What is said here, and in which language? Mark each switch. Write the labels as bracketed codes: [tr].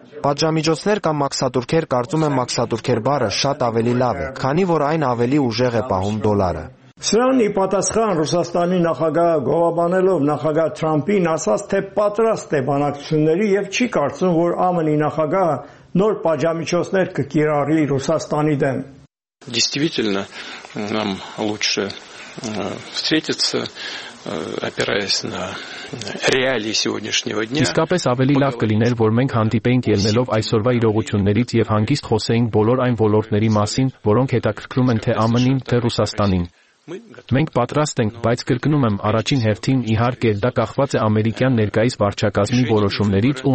[hy] Պատժամիջոցներ կամ մաքսատուրքեր, կարծում եմ մաքսատուրքեր բառը շատ ավելի լավ է, քանի որ այն ավելի ուժեղ է պահում դոլարը։ Սրան ի պատասխան Ռուսաստանի նախագահը, գովաբանելով նախագահ Թրամփին, ասաց, թե պատրաստ է բանակցությունների և չի կարծում, որ ԱՄՆ-ի նախագահը նոր պատժամիջոցներ կկիրառի Ռուսաստանի դեմ։ [ru] Действительно, нам лучше встретиться, опираясь на реалии сегодняшнего дня. [hy] Իսկապես ավելի լավ կլիներ, որ մենք հանդիպենք ելնելով այսօրվա իրողություններից և հանգիստ խոսեինք բոլոր այն ոլորտների մասին, որոնք հետաքրքրում են թե ԱՄՆ-ին, թե Ռուսաստանին։ Մենք պատրաստ ենք, բայց կրկնում եմ, առաջին հերթին իհարկե դա կախված է ամերիկյան ներկայիս վարչակազմի որոշումներից ու